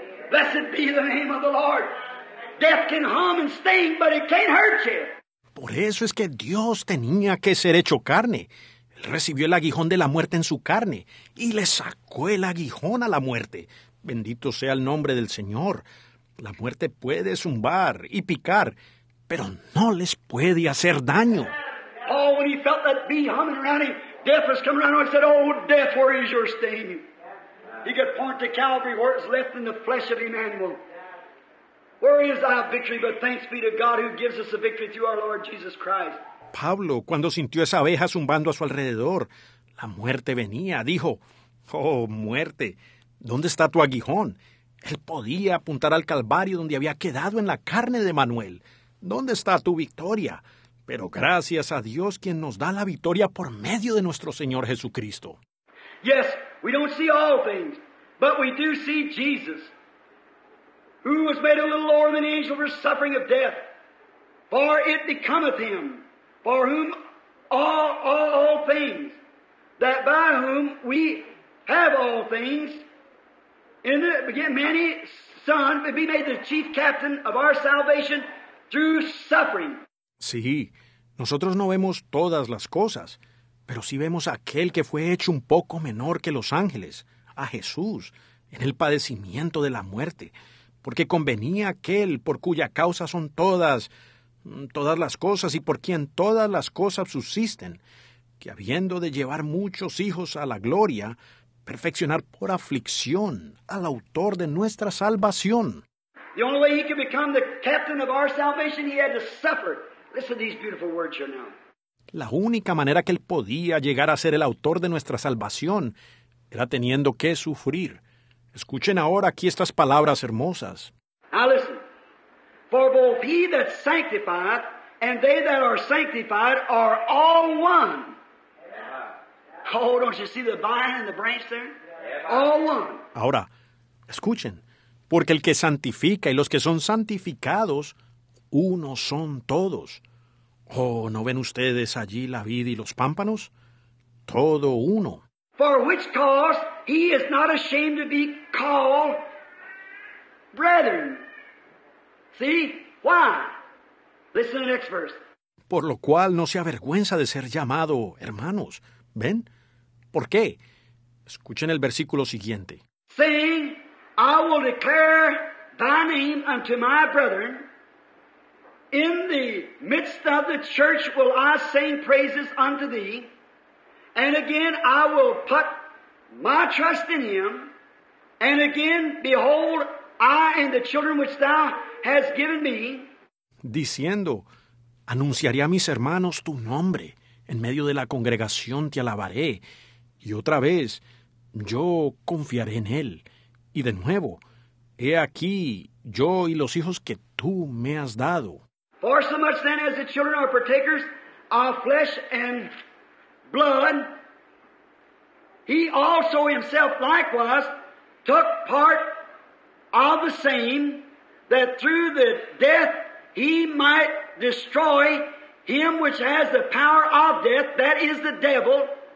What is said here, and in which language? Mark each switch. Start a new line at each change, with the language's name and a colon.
English: Blessed be the name of the Lord. Death can hum and sting, but it can't hurt you.
Spanish: Por eso es que Dios tenía que ser hecho carne. Él recibió el aguijón de la muerte en su carne y le sacó el aguijón a la muerte. Bendito sea el nombre del Señor. La muerte puede zumbar y picar, pero no les puede hacer daño.
English: Paul, when he felt that bee humming around him, death was coming around him, he said, oh, death, where is your sting? He could point to Calvary where it's left in the flesh of Emmanuel. Where is our victory? But thanks be to God who gives us the victory through our Lord Jesus Christ.
Spanish: Pablo, cuando sintió esa abeja zumbando a su alrededor, la muerte venía. Dijo, oh, muerte, ¿dónde está tu aguijón? Él podía apuntar al Calvario donde había quedado en la carne de Manuel. ¿Dónde está tu victoria? Pero gracias a Dios quien nos da la victoria por medio de nuestro Señor Jesucristo.
English: Yes, we don't see all things, but we do see Jesus, who was made a little lower than angel for suffering of death, for it becometh him. For whom all things, that by whom we have all things, in the beginning, many son be made the chief captain of our salvation through suffering.
Spanish: Sí, nosotros no vemos todas las cosas, pero sí vemos a aquel que fue hecho un poco menor que los ángeles, a Jesús, en el padecimiento de la muerte, porque convenía aquel por cuya causa son todas las cosas y por quien todas las cosas subsisten, que habiendo de llevar muchos hijos a la gloria, perfeccionar por aflicción al autor de nuestra salvación.
English: The only way he could become the captain of our salvation, he had to suffer. Listen to these beautiful words here now.
Spanish: La única manera que él podía llegar a ser el autor de nuestra salvación era teniendo que sufrir. Escuchen ahora aquí estas palabras hermosas.
English: Now listen. For both he that sanctifieth and they that are sanctified are all one. Oh, don't you see the vine and the branch there? All one.
Spanish: Ahora, escuchen. Porque el que santifica y los que son santificados, uno son todos. Oh, ¿no ven ustedes allí la vid y los pámpanos? Todo uno.
English: For which cause he is not ashamed to be called brethren. See? Why? Listen to the next verse.
Spanish: Por lo cual no se avergüenza de ser llamado hermanos. ¿Ven? ¿Por qué? Escuchen el versículo siguiente.
English: Saying, I will declare thy name unto my brethren. In the midst of the church will I sing praises unto thee. And again I will put my trust in him. And again, behold, I and the children which thou has given me.
Spanish: Diciendo, anunciaré a mis hermanos tu nombre. En medio de la congregación te alabaré. Y otra vez, yo confiaré en él. Y de nuevo, he aquí yo y los hijos que tú me has dado.
English: For so much then as the children are partakers of flesh and blood, he also himself likewise took part of the same, that through the death he might destroy him which has the power of death, that is the devil,